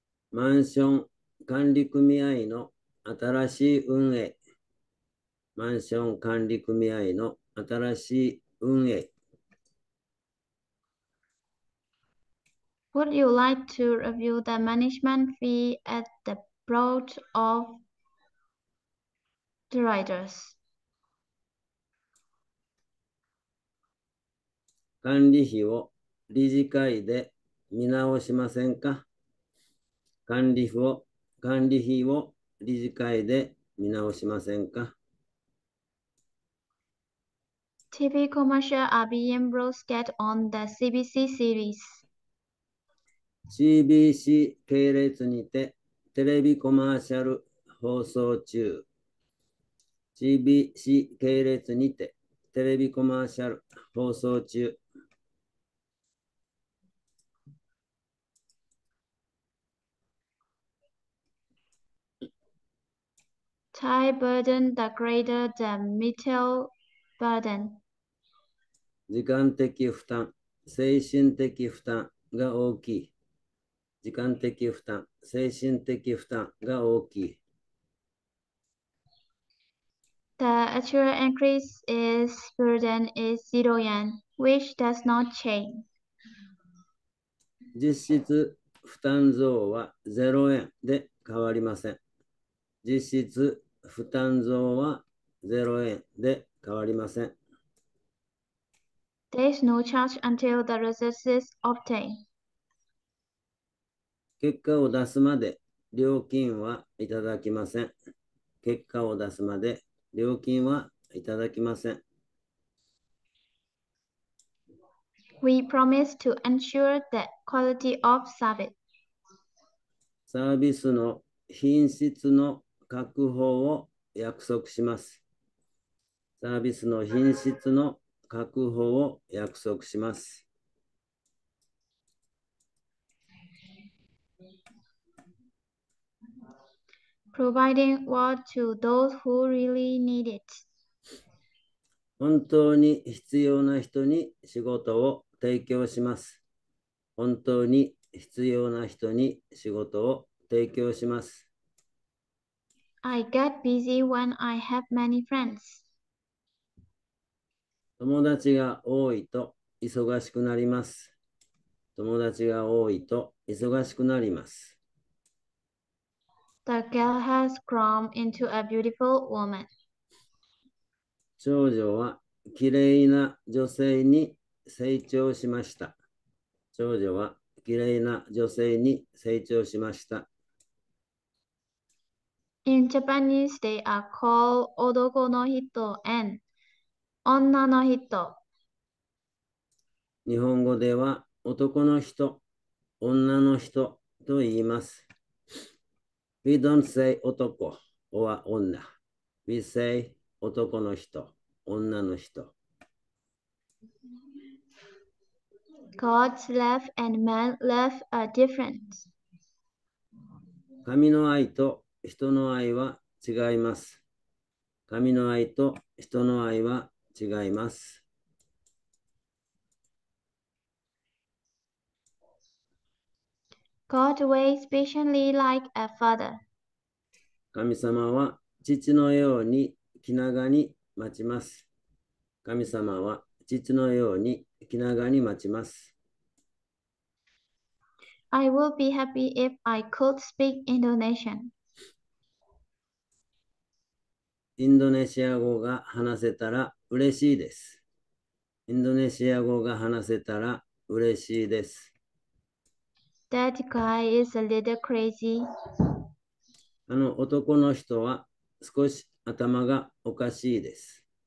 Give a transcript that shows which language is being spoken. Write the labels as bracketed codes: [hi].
[ja] マンション管理組合の新しい運営。マンション管理組合の新しい運営。 [en] Would you like to review the management fee at the board of directors? [ja] 管理費を理事会で見直しませんか？管理費を理事会で見直しませんか？ [en] TV commercial are being broadcast on the CBC series. [ja] CBC 系列にてテレビコマーシャル放送中。 CBC 系列にてテレビコマーシャル放送中。 [en] Time burden the greater the mental burden. [ja] 時間的負担、精神的負担が大きい。時間的負担、精神的負担が大きい。 [en] The actual increase is burden is 0 yen, which does not change. [ja] 実質負担増は0円で変わりません。実質負担増は0円で変わりません。 [en] There is no charge until the results is obtained. [ja] 結果を出すまで料金はいただきません。結果を出すまで料金はいただきません。 [en] We promise to ensure the quality of service. [ja] サービスの品質の確保を約束します。サービスの品質の確保を約束します。 [en] Providing what to those who really need it. [ja] 本当に必要な人に仕事を提供します。本当に必要な人に仕事を提供します。 [en] I get busy when I have many friends. [ja] 友達が多いと忙しくなります。友達が多いと忙しくなります。 [en] The girl has grown into a beautiful woman. [ja] 長女はきれいな女性に成長しました。長女はきれいな女性に成長しました。 [en] In Japanese, they are called 男の人 and 女の人。 [ja] 日本語では男の人、女の人と言います。 [en] We don't say 男 or 女。We say 男の人。女の人。 God's love and man's love are different. [ja] 神の愛と人の愛は違います。神の愛と人の愛は違います。 [en] God waits patiently like a father. [ja] 神様は父のように気長に待ちます。神様は父のように気長に待ちます。 [en] I will be happy if I could speak Indonesian. [ja] インドネシア語が話せたら嬉しいです。インドネシア語が話せたら嬉しいです。 [en] That guy is a little crazy. [ja] 男の人は少し頭がおかしいです。